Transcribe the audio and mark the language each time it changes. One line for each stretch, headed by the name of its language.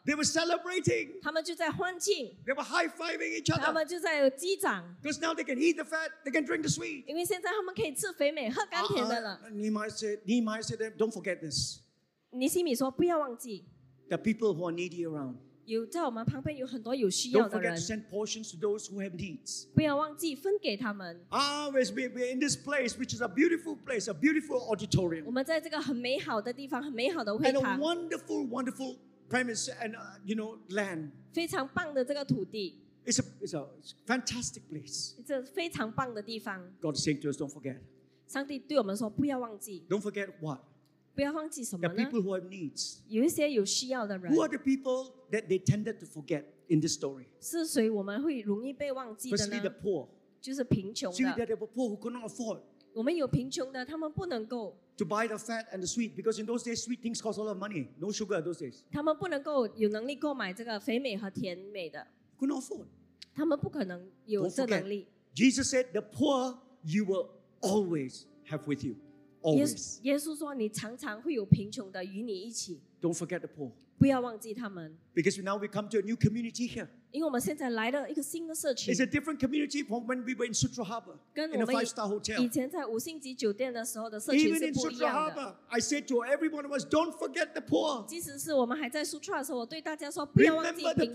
English: They were celebrating.
Chinese: 他们就在欢庆。
English: They were high-fiving each other.
Chinese: 他们就在击掌。
English: Because now they can eat the fat, they can drink the sweet.
Chinese: 因为现在他们可以吃肥美,喝甘甜的了。
English: Nehemiah said, don't forget this.
Chinese: 你心里说,不要忘记。
English: The people who are needy around.
Chinese: 在我们旁边有很多有需要的人。
English: Don't forget to send portions to those who have needs.
Chinese: 不要忘记分给他们。
English: Always we're in this place, which is a beautiful place, a beautiful auditorium.
Chinese: 我们在这个很美好的地方, 很美好的会堂。
English: And a wonderful, wonderful premise and, you know, land.
Chinese: 非常棒的这个土地。
English: It's a fantastic place.
Chinese: 这非常棒的地方。
English: God is saying to us, don't forget.
Chinese: 上帝对我们说,不要忘记。
English: Don't forget what?
Chinese: 不要忘记什么呢?
English: The people who have needs.
Chinese: 有一些有需要的人。
English: Who are the people that they tended to forget in this story?
Chinese: 是谁我们会容易被忘记的呢?
English: Firstly, the poor.
Chinese: 就是贫穷的。
English: See that they were poor who could not afford.
Chinese: 我们有贫穷的, 他们不能够。
English: To buy the fat and the sweet, because in those days, sweet things cost a lot of money. No sugar in those days.
Chinese: 他们不能够有能力购买这个肥美和甜美的。
English: Could not afford.
Chinese: 他们不可能有这能力。
English: Jesus said, the poor you will always have with you. Always.
Chinese: 耶稣说你常常会有贫穷的与你一起。
English: Don't forget the poor.
Chinese: 不要忘记他们。
English: Because now we come to a new community here. It's a different community from when we were in Sutra Harbor in a five-star hotel. Even in Sutra Harbor, I said to everyone of us, don't forget the poor. Remember the